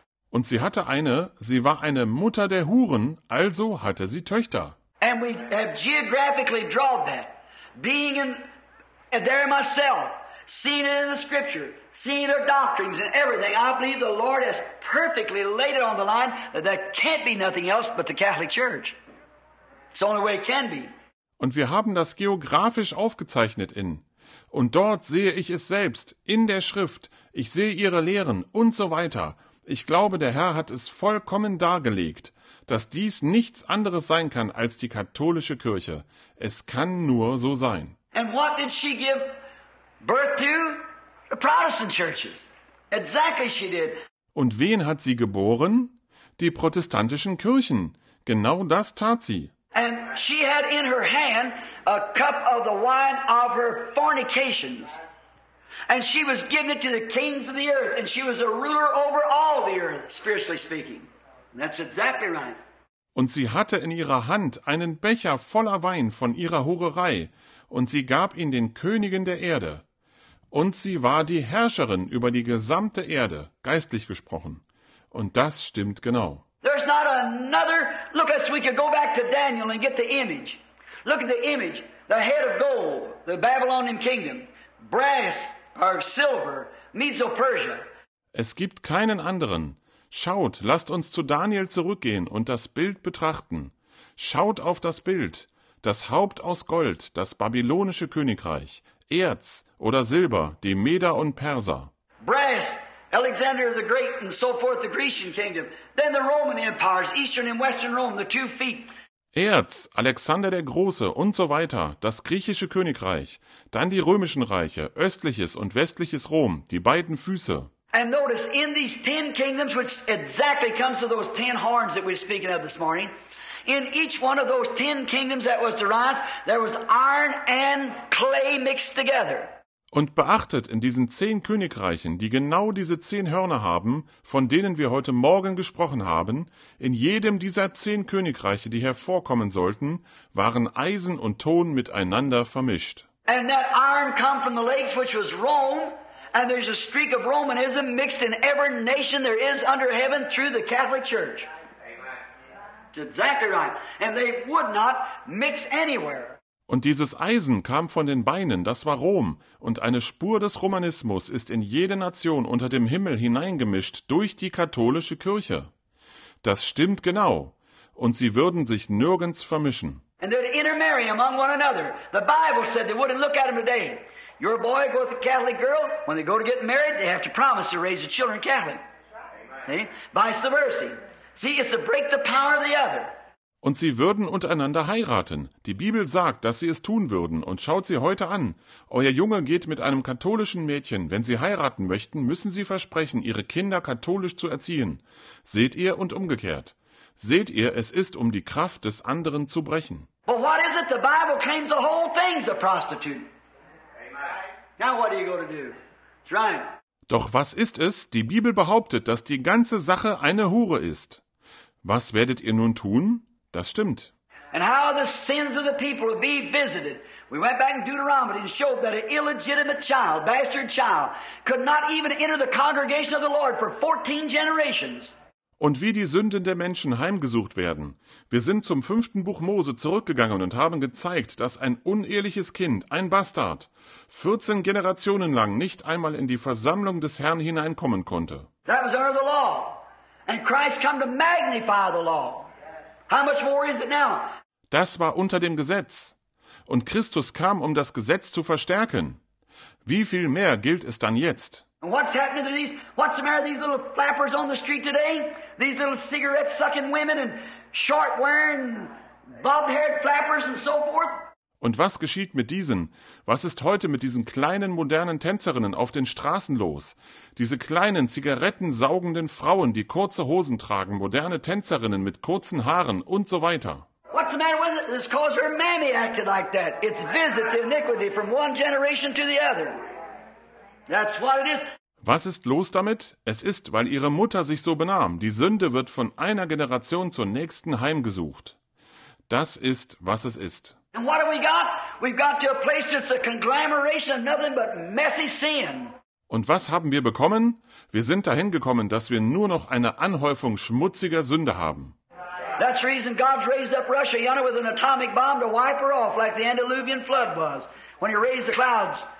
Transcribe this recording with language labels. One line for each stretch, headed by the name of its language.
German: Und sie hatte eine, sie war eine Mutter der Huren, also hatte sie Töchter.
English: And we have geographically drawn that, being in there myself, seeing it in the scripture, seeing their doctrines and everything. I believe the Lord has perfectly laid it on the line that there can't be nothing else but the Catholic Church. It's the only way it can be.
German: Und wir haben das geografisch aufgezeichnet in. Und dort sehe ich es selbst, in der Schrift. Ich sehe ihre Lehren und so weiter. Ich glaube, der Herr hat es vollkommen dargelegt, dass dies nichts anderes sein kann als die katholische Kirche. Es kann nur so sein.
English: And what did she give birth to? The Protestant churches. Exactly she did.
German: Und wen hat sie geboren? Die protestantischen Kirchen. Genau das tat sie.
English: And she had in her hand a cup of the wine of her fornications. And she was giving it to the kings of the earth, and she was a ruler over all the earth, spiritually speaking. And that's exactly right.
German: Und sie hatte in ihrer Hand einen Becher voller Wein von ihrer Hurerei, und sie gab ihn den Königen der Erde. Und sie war die Herrscherin über die gesamte Erde, geistlich gesprochen. Und das stimmt genau.
English: There's not another, look as we could go back to Daniel and get the image. Look at the image, the head of gold, the Babylonian kingdom, brass or silver, Medo-Persia.
German: Es gibt keinen anderen. Schaut, lasst uns zu Daniel zurückgehen und das Bild betrachten. Schaut auf das Bild, das Haupt aus Gold, das babylonische Königreich. Erz oder Silber, die Meder und Perser.
English: Brass, Alexander the Great and so forth, the Grecian kingdom, then the Roman empires, Eastern and Western Rome, the two feet.
German: Erz, Alexander der Große und so weiter, das griechische Königreich, dann die römischen Reiche, östliches und westliches Rom, die beiden Füße.
English: And notice in these ten kingdoms, which exactly comes to those ten horns that we're speaking of this morning, in each one of those ten kingdoms that was to rise, there was iron and clay mixed together.
German: Und beachtet in diesen zehn Königreichen, die genau diese zehn Hörner haben, von denen wir heute Morgen gesprochen haben, in jedem dieser zehn Königreiche, die hervorkommen sollten, waren Eisen und Ton miteinander vermischt.
English: And that iron come from the lakes, which was Rome, and there's a streak of Romanism mixed in every nation there is under heaven through the Catholic Church. Amen. It's exactly right. And they would not mix anywhere.
German: Und dieses Eisen kam von den Beinen, das war Rom, und eine Spur des Romanismus ist in jede Nation unter dem Himmel hineingemischt durch die katholische Kirche. Das stimmt genau, und sie würden sich nirgends vermischen.
English: And they'd intermarry among one another. The Bible said they wouldn't look at them today. Your boy go with a Catholic girl, when they go to get married, they have to promise to raise the children Catholic. See? Vice versa. See, it's to break the power of the other.
German: Und sie würden untereinander heiraten. Die Bibel sagt, dass sie es tun würden. Und schaut sie heute an. Euer Junge geht mit einem katholischen Mädchen. Wenn sie heiraten möchten, müssen sie versprechen, ihre Kinder katholisch zu erziehen. Seht ihr und umgekehrt. Seht ihr, es ist, um die Kraft des anderen zu brechen.
English: But what is it? The Bible claims the whole thing's a prostitute. Amen. Now what are you going to do? It's right.
German: Doch was ist es? Die Bibel behauptet, dass die ganze Sache eine Hure ist. Was werdet ihr nun tun? Das stimmt.
English: And how the sins of the people will be visited. We went back in Deuteronomy and showed that an illegitimate child, bastard child, could not even enter the congregation of the Lord for 14 generations.
German: Und wie die Sünden der Menschen heimgesucht werden. Wir sind zum fünften Buch Mose zurückgegangen und haben gezeigt, dass ein uneheliches Kind, ein Bastard, 14 Generationen lang nicht einmal in die Versammlung des Herrn hineinkommen konnte.
English: That was under the law. And Christ came to magnify the law. How much more is it now?
German: Das war unter dem Gesetz. Und Christus kam, um das Gesetz zu verstärken. Wie viel mehr gilt es dann jetzt?
English: And what's happening to these, what's the matter with these little flappers on the street today? These little cigarette-sucking women and short-wearing, bob-haired flappers and so forth?
German: Und was geschieht mit diesen? Was ist heute mit diesen kleinen modernen Tänzerinnen auf den Straßen los? Diese kleinen zigarettensaugenden Frauen, die kurze Hosen tragen, moderne Tänzerinnen mit kurzen Haaren und so weiter.
English: What's the matter with it? It's cause her mammy acted like that. It's visit the iniquity from one generation to the other. That's what it is.
German: Was ist los damit? Es ist, weil ihre Mutter sich so benahm. Die Sünde wird von einer Generation zur nächsten heimgesucht. Das ist, was es ist.
English: And what have we got? We've got to a place that's a conglomeration of nothing but messy sin.
German: Und was haben wir bekommen? Wir sind dahin gekommen, dass wir nur noch eine Anhäufung schmutziger Sünde haben.
English: That's the reason God's raised up Russia, you know, with an atomic bomb to wipe her off like the Antediluvian flood was when he raised the clouds.